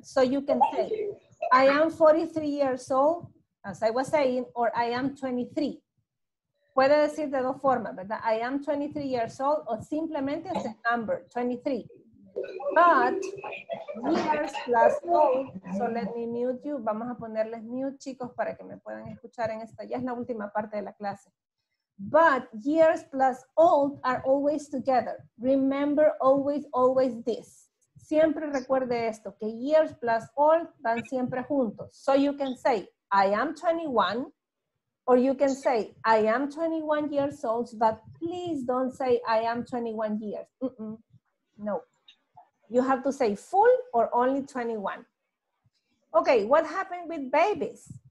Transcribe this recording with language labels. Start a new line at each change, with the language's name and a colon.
English: So you can say, I am 43 years old. As I was saying, or I am 23.
Spanish: Puede decir de dos formas, ¿verdad?
English: I am 23 years old,
Spanish: o simplemente
English: as a number, 23. But years plus old, so let me mute you.
Spanish: Vamos a ponerles mute, chicos, para que me puedan escuchar en esta. Ya es la última parte de la clase.
English: But years plus old are always together. Remember always, always this.
Spanish: Siempre recuerde esto, que years plus old van siempre juntos.
English: So you can say, I am 21, or you can say, I am 21 years old, but please don't say, I am 21 years. Mm-mm. No. You have to say full or only 21. Okay, what happened with babies?